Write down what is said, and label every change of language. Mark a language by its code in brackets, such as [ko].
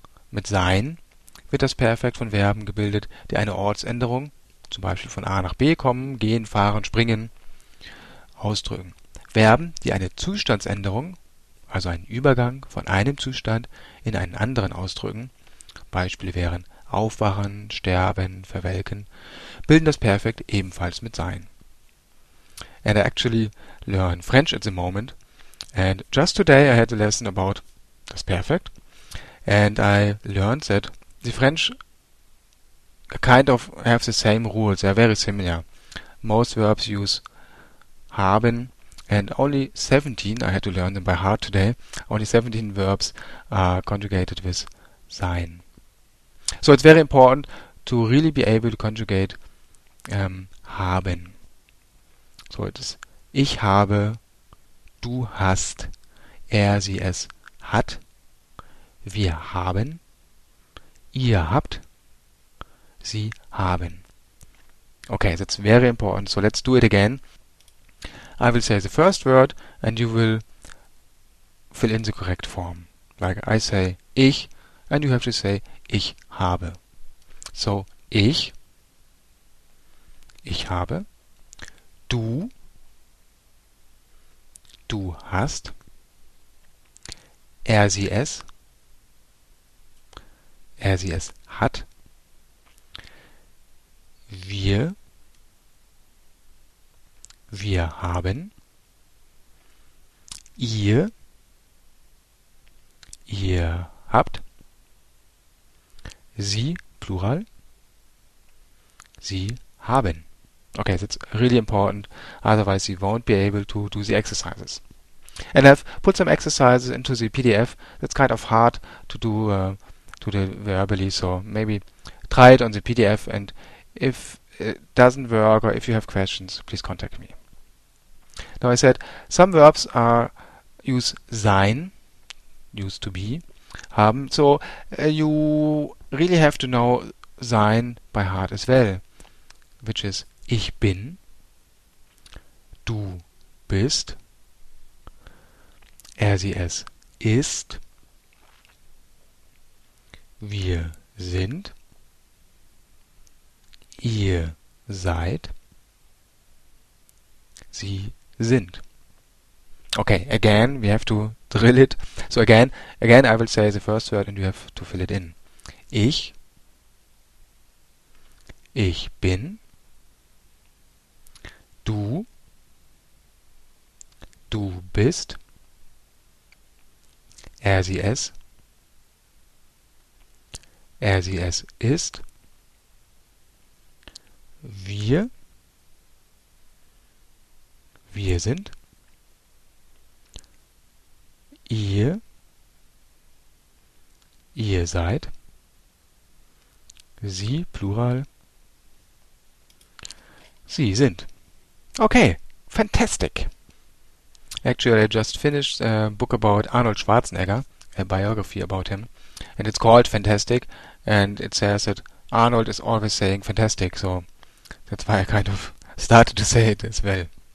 [de] Mit sein wird das Perfekt von Verben gebildet, die eine Ortsänderung, zum Beispiel von A nach B kommen, gehen, fahren, springen, ausdrücken. Verben, die eine Zustandsänderung, also einen Übergang von einem Zustand in einen anderen ausdrücken, Beispiele wären aufwachen, sterben, verwelken, bilden das Perfekt ebenfalls mit sein. [en] And I actually learn French at the moment. And just today I had a lesson about das Perfekt. And I learned that the French kind of have the same rules. They are very similar. Most verbs use haben. And only 17, I had to learn them by heart today, only 17 verbs are conjugated with sein. So it's very important to really be able to conjugate haben. So it is [de] ich habe, du hast, er, sie, es hat, wir haben, ihr habt, sie haben. [en] Okay, that's very important. So let's do it again. I will say the first word and you will fill in the correct form. Like I say ich and you have to say [de] ich habe. So, ich habe, du hast, er, sie, es hat, wir haben, ihr habt, sie, Plural, sie haben. [en] Okay, that's really important. Otherwise, you won't be able to do the exercises. And I've put some exercises into the PDF. It's kind of hard to do verbally, so maybe try it on the PDF. And if it doesn't work or if you have questions, please contact me. Now, I said some verbs are use sein, use to be, haben. So, you really have to know sein by heart as well, which is [de] ich bin, du bist, er, sie, es ist, wir sind, ihr seid, sie sind. [en] Okay, again, we have to drill it. So again, I will say the first word and you have to fill it in. [de] Ich bin, du bist, er, sie, es ist, wir sind, ihr seid, sie, Plural, sie sind. [en] Okay, fantastic. Actually, I just finished a book about Arnold Schwarzenegger, a biography about him, and it's called Fantastic, and it says that Arnold is always saying fantastic, so that's why I kind of started to say it as well.